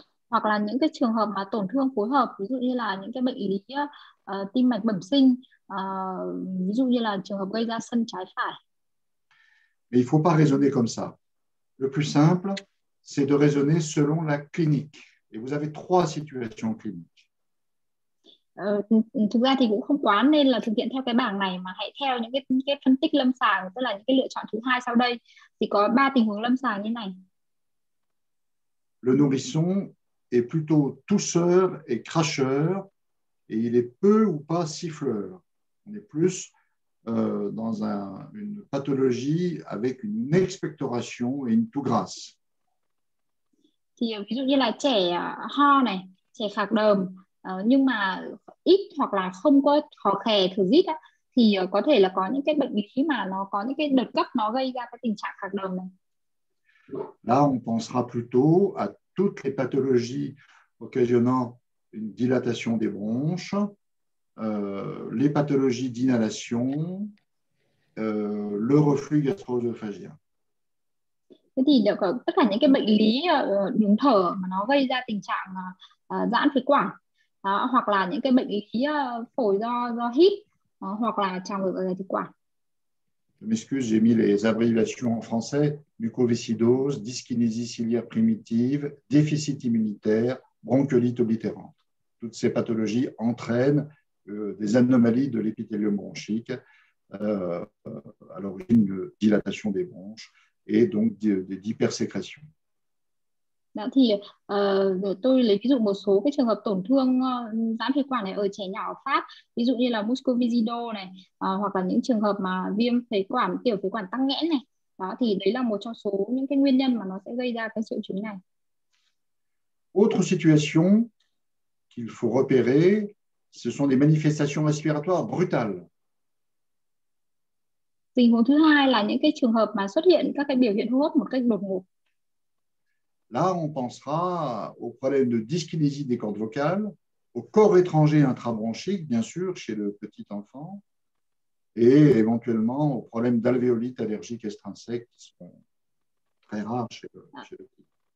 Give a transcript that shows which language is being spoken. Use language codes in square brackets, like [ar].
[vi] Hoặc là những cái trường hợp mà tổn thương phối hợp, ví dụ như là những cái bệnh lý tim mạch bẩm sinh. Ví dụ như là trường hợp gây ra sân trái phải. [fr] Mais il faut pas raisonner comme ça. Le plus simple, c'est de raisonner selon la clinique. Et vous avez trois situations cliniques. [vi] Thực ra thì cũng không quá nên là thực hiện theo cái bảng này, mà hãy theo những cái phân tích lâm sàng, tức là những cái lựa chọn thứ hai sau đây, thì có ba tình huống lâm sàng như này. [fr] Le nourrisson est plutôt tousseur et cracheur, et il est peu ou pas siffleur. On est plus dans une pathologie avec une expectoration et une toux grasse. [vi] Thì ví dụ như là trẻ ho này, trẻ khạc đờm, nhưng mà ít hoặc là không có khò khè thử dít á, thì có thể là có những cái bệnh lý mà nó có những cái đợt cấp nó gây ra cái tình trạng khạc đờm này. [fr] Là on pensera plutôt à toutes les pathologies occasionnant une dilatation des bronches. Les pathologies d'inhalation, le reflux gastro-œsophagien. [vi] Thế thì được, tất cả những cái bệnh lý đường thở mà nó gây ra tình trạng giãn phế quản, hoặc là những cái bệnh lý phổi do hít, hoặc là trào ngược dạ dày thực quản. [fr] Je m'excuse, j'ai mis les abréviations en français: mucoviscidose, dyskinésie ciliaire primitive, déficit immunitaire, bronchiolite oblitérante. Toutes ces pathologies entraînent des anomalies de l'épithélium bronchique à l'origine de dilatation des bronches et donc d'hypersécrétion. [vi] Đã thì tôi lấy ví dụ một số cái trường hợp tổn thương giãn phế quản này ở trẻ nhỏ ở Pháp, ví dụ như là muscovisido này, hoặc là những trường hợp mà viêm phế quản, tiểu phế quản tắc nghẽn này. Đó thì đấy là một trong số những cái nguyên nhân mà nó sẽ gây ra cái triệu chứng này. [fr] Autre situation qu'il faut repérer, ce sont des manifestations respiratoires brutales. [vi] Tình huống thứ hai là những cái trường hợp mà xuất hiện các cái biểu hiện hô hấp một cách đột ngột. [fr] Là, on pensera au problème de dyskinésie des cordes vocales, au corps étranger intrabronchique, bien sûr, chez le petit enfant, et éventuellement aux problèmes d'alvéolite allergique extrinsèque qui sont très rares chez le petit.